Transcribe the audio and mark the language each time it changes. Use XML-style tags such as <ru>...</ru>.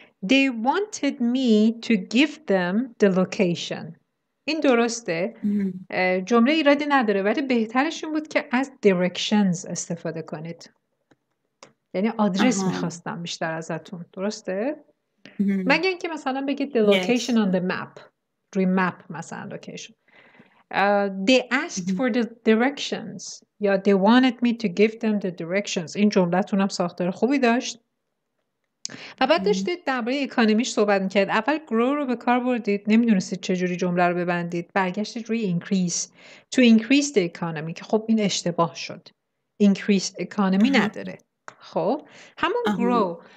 <en>They wanted me to give them the location.</en> <fa>این درسته. جمله ایرادی نداره. ولی بهترش این بود که از directions استفاده کنید. یعنی آدرس میخواستم بیشتر ازتون. درسته؟ مگه اینکه مثلا بگید</fa> <en>the location on the map. روی map مثلا location. They asked for the directions. یا they wanted me to give them the directions.</en> <fa>این جمله تون هم ساختار خوبی داشت. و بعد داشتید درباره اکانومیش صحبت میکرد. اول grow رو به کار بردید. نمیدونستید چجوری جمله رو ببندید. برگشتید روی increase.</fa> <en>To increase the economy.</en> <fa>که خب این اشتباه شد. Increase economy نداره. خب. همون grow.</fa>